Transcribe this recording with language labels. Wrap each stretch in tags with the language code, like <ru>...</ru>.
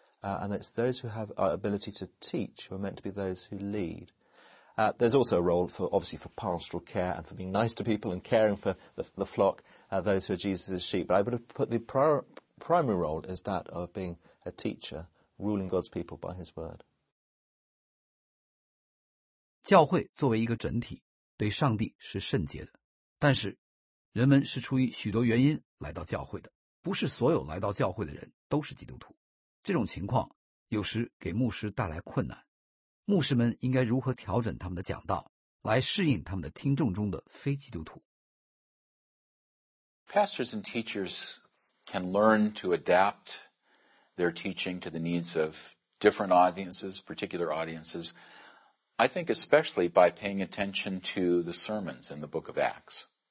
<en>And it's those who have the ability to teach who are meant to be those who lead. There's also a role for pastoral care and for being nice to people and caring for the flock, those who are Jesus' sheep. But I would have put the primary role is that of being a teacher, ruling God's people by his word.</en> <zh>教会作为一个整体，对上帝是圣洁的，但是人们是出于许多原因来到教会的，不是所有来到教会的人都是基督徒。这种情况有时给牧师带来困难，牧师们应该如何调整他们的讲道，来适应他们的听众中的非基督徒？</zh> <en>Pastors and teachers can learn to adaptTheir teaching to the needs of different audiences, particular audiences, I think especially by paying attention to the sermons in the book of Acts.</en>